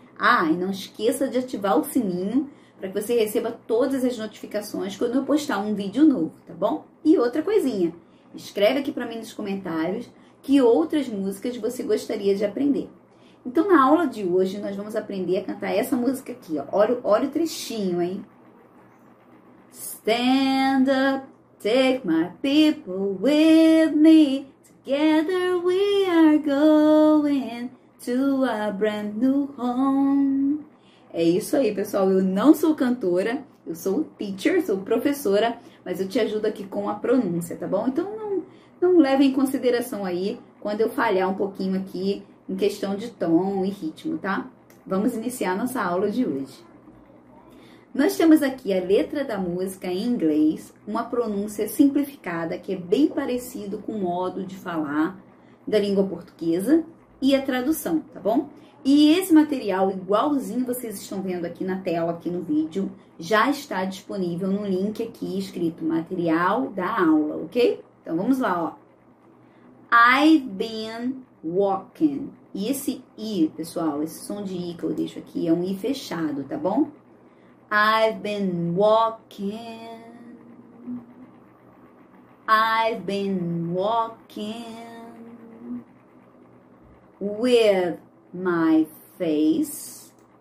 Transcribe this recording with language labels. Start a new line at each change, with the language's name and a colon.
Portuguese: Ah, e não esqueça de ativar o sininho para que você receba todas as notificações quando eu postar um vídeo novo, tá bom? E outra coisinha, escreve aqui para mim nos comentários que outras músicas você gostaria de aprender. Então, na aula de hoje, nós vamos aprender a cantar essa música aqui, ó. Olha o trechinho, hein?
English: Stand up, take my people with me. Together we are going to a brand new home.
Portuguese: É isso aí, pessoal. Eu não sou cantora, eu sou teacher, sou professora, mas eu te ajudo aqui com a pronúncia, tá bom? Então, não leve em consideração aí quando eu falhar um pouquinho aqui. Em questão de tom e ritmo, tá? Vamos iniciar nossa aula de hoje. Nós temos aqui a letra da música em inglês, uma pronúncia simplificada que é bem parecido com o modo de falar da língua portuguesa e a tradução, tá bom? E esse material, igualzinho vocês estão vendo aqui na tela, aqui no vídeo, já está disponível no link aqui escrito Material da aula, ok? Então vamos lá, ó.
English: I've been walking.
Portuguese: E esse i, pessoal, esse som de i que eu deixo aqui é um i fechado, tá bom?
English: I've been walking. I've been walking with my face.